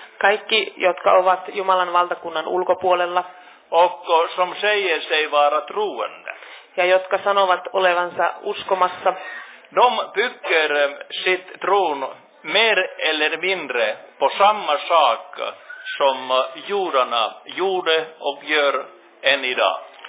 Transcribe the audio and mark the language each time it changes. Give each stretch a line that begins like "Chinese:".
Finnish: Kaikki, jotka ovat Jumalan valtakunnan ulkopuolella.
Swedish: Och som säger sig vara troende.
Finnish: Ja jotka sanovat olevansa uskomassa.
Swedish: De bygger sitt tron mer eller mindre på samma sak som judarna gjorde och gör än idag.